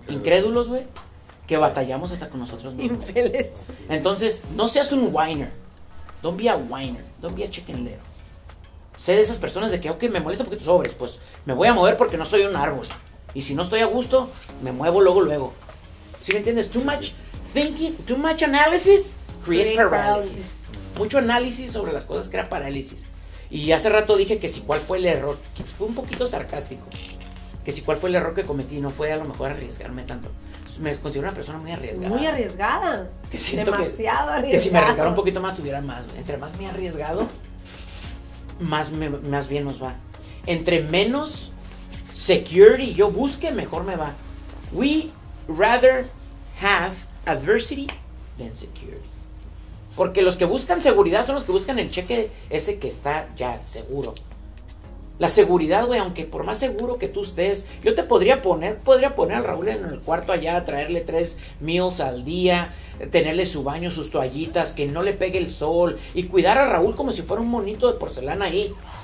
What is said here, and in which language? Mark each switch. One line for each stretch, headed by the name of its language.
Spanish: Incrédulos, güey, que batallamos hasta con nosotros mismos. Infeles. Entonces, no seas un whiner.
English: Don't be a whiner. Don't be a chicken leg.
Spanish: Sé de esas personas de que, ok, me molesta porque tus sobres, pues me voy a mover porque no soy un árbol. Y si no estoy a gusto, me muevo luego, luego. ¿Sí me entiendes?
English: Too much thinking, too much analysis creates paralysis.
Spanish: Mucho análisis sobre las cosas crea parálisis. Y hace rato dije que si cuál fue el error, que fue un poquito sarcástico, que si cuál fue el error que cometí, no fue a lo mejor arriesgarme tanto. Me considero una persona muy arriesgada. Muy arriesgada. Que demasiado que, arriesgada. Que si me arriesgara un poquito más, tuviera más. Entre más me he arriesgado, más bien nos va. Entre menos security yo busque, mejor me va.
English: We rather have adversity than security.
Spanish: Porque los que buscan seguridad son los que buscan el cheque ese que está ya seguro. La seguridad, güey, aunque por más seguro que tú estés, yo te podría poner a Raúl en el cuarto allá, traerle 3 meals al día, tenerle su baño, sus toallitas, que no le pegue el sol, y cuidar a Raúl como si fuera un monito de porcelana ahí.